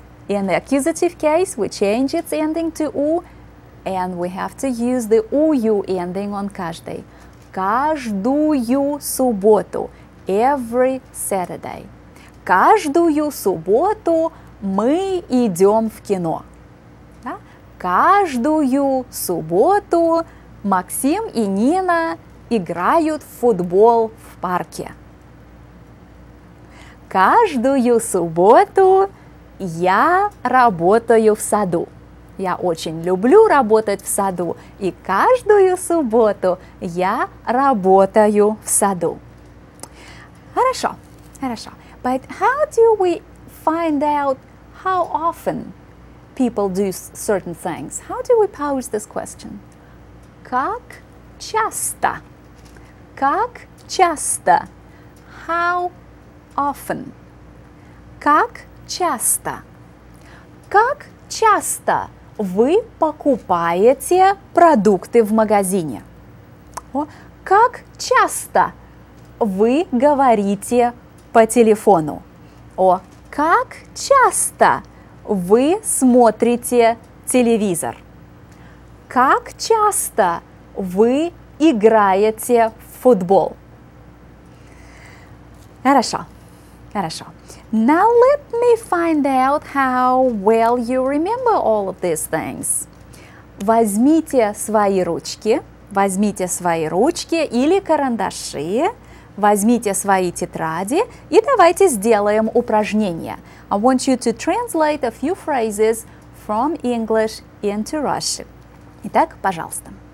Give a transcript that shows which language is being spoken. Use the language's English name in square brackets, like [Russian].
[English] In the accusative case, we change its ending to U, and we have to use the UU ending on каждый. [Russian] Каждую субботу. [English] Every Saturday. [Russian] Каждую субботу мы идем в кино. Да? Каждую субботу Максим и Нина играют в футбол в парке. Каждую субботу я работаю в саду. Я очень люблю работать в саду. И каждую субботу я работаю в саду. Хорошо, хорошо. [English] But how do we find out how often people do certain things? How do we pose this question? [Russian] Как часто? Как часто? [English] How often? [Russian] Как часто? Как часто вы покупаете продукты в магазине? Как часто вы говорите по телефону? Как часто вы смотрите телевизор? Как часто вы играете в футбол? Хорошо, хорошо. [English] Now let me find out how well you remember all of these things. [Russian] Возьмите свои ручки, возьмите свои ручки или карандаши, возьмите свои тетради и давайте сделаем упражнение. [English] I want you to translate a few phrases from English into Russian. [Russian] Итак, пожалуйста.